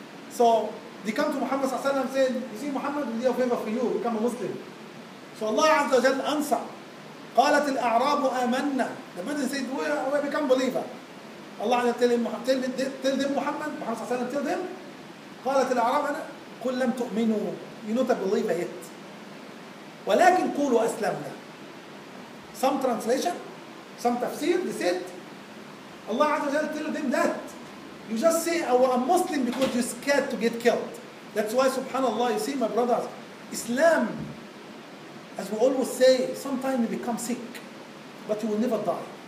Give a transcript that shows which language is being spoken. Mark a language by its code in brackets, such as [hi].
[en] So, they come to Muhammad sallallahu alayhi wa sallam, saying, you see, Muhammad, we did a favor for you, become a Muslim. So Allah Azza wa Jal answer. [ar] قالت الأعراب آمنا. [en] The man said, we become believer. Allah Azza tell him, tell them Muhammad, Muhammad sallallahu alayhi wa sallam, tell them. [ar] قالت الأعراب أنا قل لم تؤمنوا. [en] You're not a believer yet. [ar] ولكن قولوا أسلمنا. [en] Some translation, some tafsir, they said, Allah Azza wa Jal tell them that. You just say, oh, I'm Muslim because you're scared to get killed. That's why, subhanAllah, you see, my brothers, Islam, as we always say, sometimes you become sick, but you will never die.